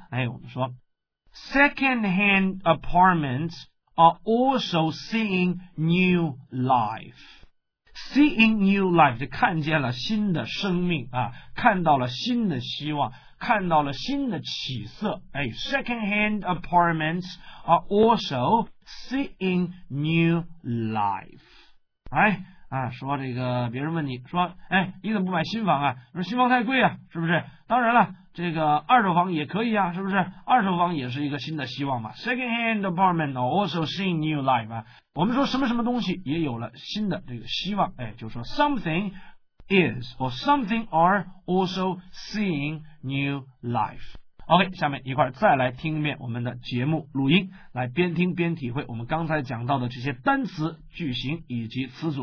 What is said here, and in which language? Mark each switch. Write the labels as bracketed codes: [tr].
[zh] 哎，我们说 [en] second hand apartments are also seeing new lifeSeeing new life， [zh] 就看见了新的生命啊，看到了新的希望，看到了新的起色。 [en] 哎 ，second hand apartments are also seeing new life。 [zh] 哎啊，说这个别人问你说，哎，你怎么不买新房啊？说新房太贵啊，是不是？当然了，这个二手房也可以啊，是不是？二手房也是一个新的希望嘛。 [en] Second hand apartment are also seeing new life 啊。 [zh] 我们说什么什么东西也有了新的这个希望，哎，就说 [en] something is or something are also seeing new life。 [zh] OK, 下面一块再来听一遍我们的节目录音，来边听边体会我们刚才讲到的这些单词、句型以及词组。